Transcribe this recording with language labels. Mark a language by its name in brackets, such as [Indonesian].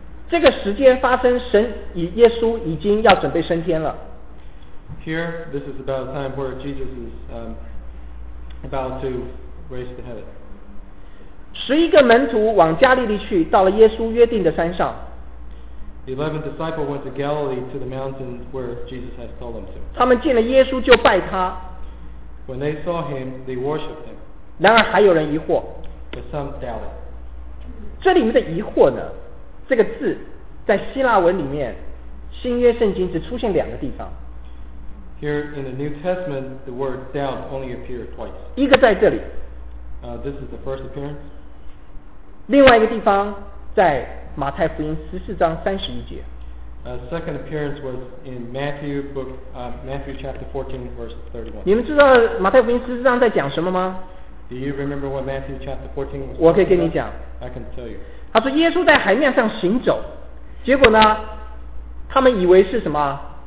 [Chinese] 这个时间发生神以耶稣已经要准备升天了。 [English] Here, this is about a time where Jesus is about to raise to heaven. [Chinese] 11个门徒往加利利去到了耶稣约定的山上。 [English] The 11 disciples went to Galilee to the mountain where Jesus has told them to. [Chinese] 他们见了耶稣就拜他。 [English] When they saw him, they worshipped him. [Chinese] 然而还有人疑惑 [English] There's some doubt. [Chinese] 这里面的疑惑呢这个字在希腊文里面新约圣经只出现两个地方 [English] Here in the New Testament the word doubt only appears twice [Chinese] 一个在这里 [English] This is the first appearance [Chinese] 另外一个地方在马太福音14章31节 [English] Second appearance was in Matthew chapter 14, verse 31. [Chinese] 你们知道马太福音实际上在讲什么吗？ [English] Do you remember what Matthew chapter 14 was? [Chinese] 我可以跟你讲。 [English] I can tell you. [Chinese] 他说耶稣在海面上行走，结果呢，他们以为是什么？